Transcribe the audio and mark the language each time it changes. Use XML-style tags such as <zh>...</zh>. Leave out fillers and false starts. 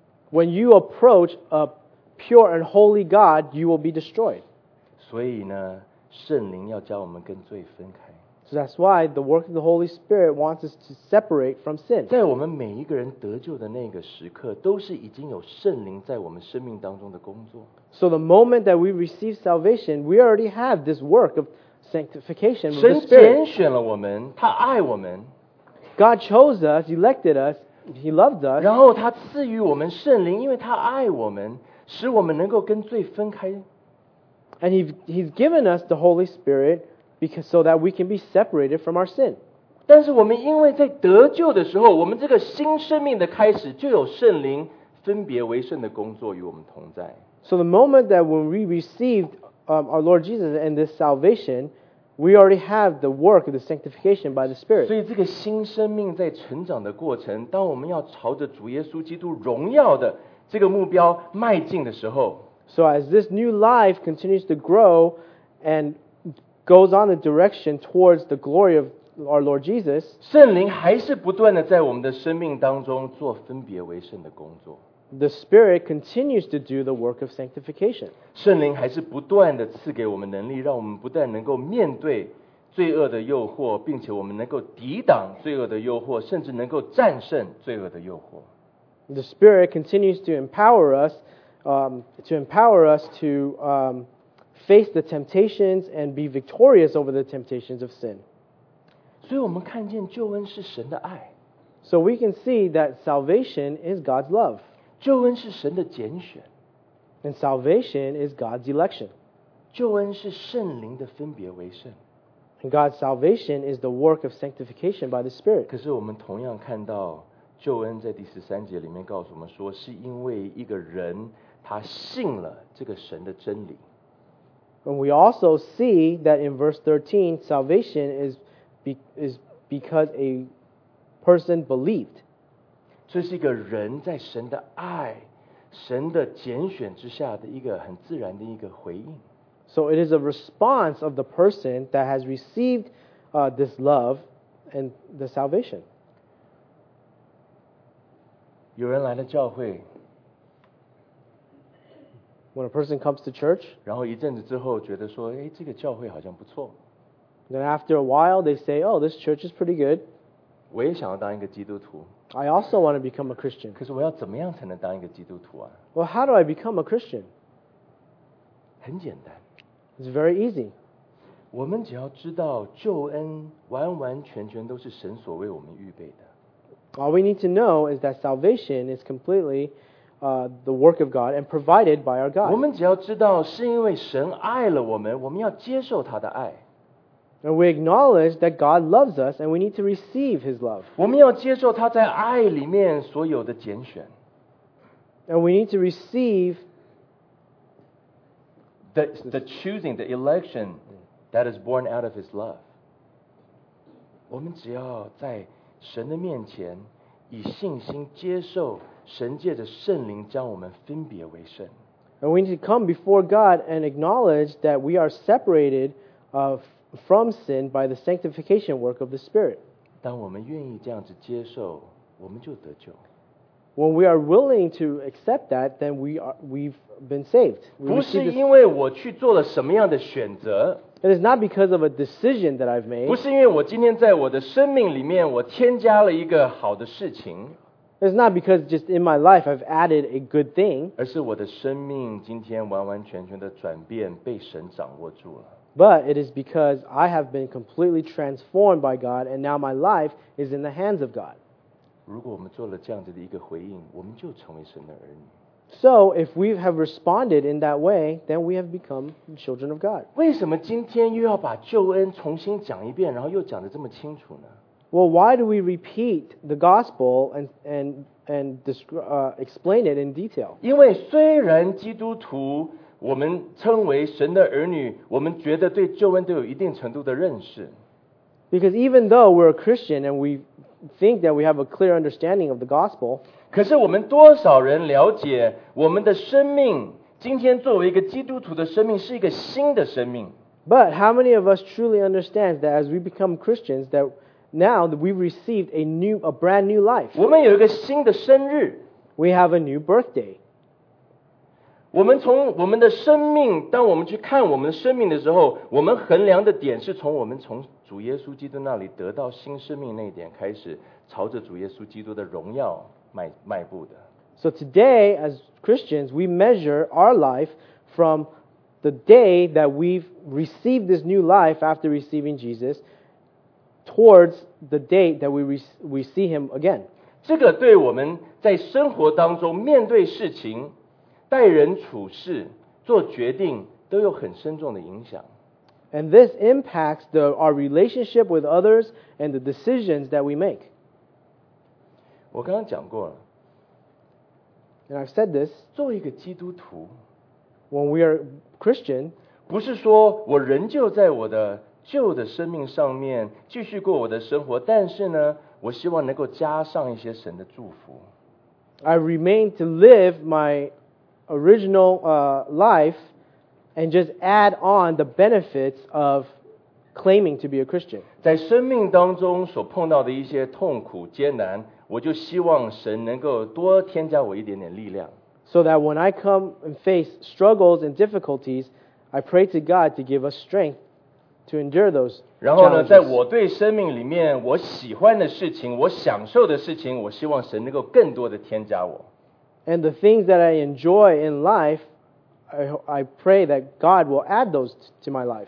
<en>When you approach a pure and holy God, you will be destroyed.</en> <zh>所以呢，圣灵要将我们跟罪分开。</zh> <en>So that's why the work of the Holy Spirit wants us to separate from sin.</en> <zh>在我们每一个人得救的那个时刻，都是已经有圣灵在我们生命当中的工作。</zh> <en>So the moment that we receive salvation, we already have this work of sanctification with the Spirit.</en> <zh>神拣选了我们，他爱我们。</zh> <en>God chose us, elected us, He loved us.</en> <zh>然后他赐予我们圣灵，因为他爱我们，使我们能够跟罪分开。</zh> <en>And He's given us the Holy Spirit. Because so that we can be separated from our sin.</en> <zh>但是我们因为在得救的时候，我们这个新生命的开始就有圣灵分别为圣的工作与我们同在。</zh> <en>So the moment that when we received our Lord Jesus and this salvation, we already have the work of the sanctification by the Spirit.</en> <zh>所以这个新生命在成长的过程，当我们要朝着主耶稣基督荣耀的这个目标迈进的时候</zh> <en>，So as this new life continues to grow and goes on the direction towards the glory of our Lord Jesus,</en> <zh>圣灵还是不断地在我们的生命当中做分别为圣的工作。</zh> <en>The Spirit continues to do the work of sanctification.</en> <zh>圣灵还是不断地赐给我们能力，让我们不但能够面对罪恶的诱惑，并且我们能够抵挡罪恶的诱惑，甚至能够战胜罪恶的诱惑。</zh> <en>The Spirit continues to empower us, face the temptations and be victorious over the temptations of sin.</en> <zh>所以我们看见救恩是神的爱。</zh> <en>So we can see that salvation is God's love.</en> <zh>救恩是神的拣选。</zh> <en>And salvation is God's election.</en> <zh>救恩是圣灵的分别为圣。</zh> <en>And God's salvation is the work of sanctification by the Spirit.</en> <zh>可是我们同样看到救恩在第十三节里面告诉我们说是因为一个人他信了这个神的真理。</zh> <en>And we also see that in verse 13, salvation is because a person believed.</en> <zh>这是一个人在神的爱、神的拣选之下的一个很自然的一个回应。</zh> <en>So it is a response of the person that has received this love and the salvation.</en> <zh>有人来了教会。</zh> <en>When a person comes to church,</en> <zh>然后一阵子之后觉得说，哎，这个教会好像不错。</zh> <en>Then after a while, they say, "Oh, this church is pretty good."</en> <zh>我也想要当一个基督徒。</zh> <en>I also want to become a Christian.</en> <zh>可是我要怎么样才能当一个基督徒啊？</zh> <en>Well, how do I become a Christian?</en> <zh>很简单。</zh> <en>It's very easy.</en> <zh>我们只要知道救恩完完全全都是神所为我们预备的。</zh> <en>All we need to know is that salvation is completely. The work of God and provided by our God.</en> <zh>我们只要知道是因为神爱了我们，我们要接受他的爱。</zh> <en>And we acknowledge that God loves us and we need to receive His love.</en> <zh>我们要接受他在爱里面所有的拣选。</zh> <en>And we need to receive the choosing, the election that is born out of His love.</en> <zh>我们只要在神的面前以信心接受神借着圣灵将我们分别为圣。</zh> <en>And we need to come before God and acknowledge that we are separated from sin by the sanctification work of the Spirit.</en> <zh>当我们愿意这样子接受，我们就得救。</zh> <en>When we are willing to accept that, then we've been saved.</en> <zh>不是因为我去做了什么样的选择。</zh> <en>It is not because of a decision that I've made.</en> <zh>不是因为我今天在我的生命里面我添加了一个好的事情。</zh> <en>It's not because just in my life I've added a good thing.</en> <zh>而是我的生命今天完完全全的转变被神掌握住了。</zh> <en>But it is because I have been completely transformed by God and now my life is in the hands of God.</en> <zh>如果我们做了这样子的一个回应，我们就成为神的儿女。</zh> <en>So if we have responded in that way, then we have become children of God.</en> <zh>为什么今天又要把救恩重新讲一遍，然后又讲得这么清楚呢？</zh> <en>Well, why do we repeat the gospel and explain it in detail?</en> <zh>因为虽然基督徒我们称为神的儿女，我们觉得对救恩都有一定程度的认识。</zh> <en>Because even though we're a Christian and we think that we have a clear understanding of the gospel,</en> <zh>可是我们多少人了解我们的生命，今天作为一个基督徒的生命是一个新的生命。</zh> <en>But how many of us truly understand that as we become Christians that Now that we've received a brand new life.</en> <zh>我们有一个新的生日。</zh> <en>We have a new birthday.</en> <zh>我们从我们的生命，当我们去看我们的生命的时候，我们衡量的点是从我们从主耶稣基督那里得到新生命那一点开始，朝着主耶稣基督的荣耀迈步的。</zh> <en>So today, as Christians, we measure our life from the day that we've received this new life after receiving Jesus towards the date that we see Him again.</en> <zh>这个对我们在生活当中面对事情、待人处事、做决定都有很深重的影响。</zh> <en>And this impacts our relationship with others and the decisions that we make.</en> <zh>我刚刚讲过了。</zh> <en>And I've said this,</en> <zh>作为一个基督徒,</zh> <en>when we are Christian,</en> <zh>不是说我仍旧在我的旧的生命上面继续过我的生活，但是呢，我希望能够加上一些神的祝福。</zh> <en>I remain to live my original life and just add on the benefits of claiming to be a Christian.</en> <zh>在生命当中所碰到的一些痛苦艰难，我就希望神能够多添加我一点点力量。</zh> <en>So that when I come and face struggles and difficulties, I pray to God to give us strength to endure those challenges.</en> <zh>然后呢，在我对生命里面我喜欢的事情，我享受的事情，我希望神能够更多的添加我。</zh> <en>And the things that I enjoy in life, I pray that God will add those to my life.</en>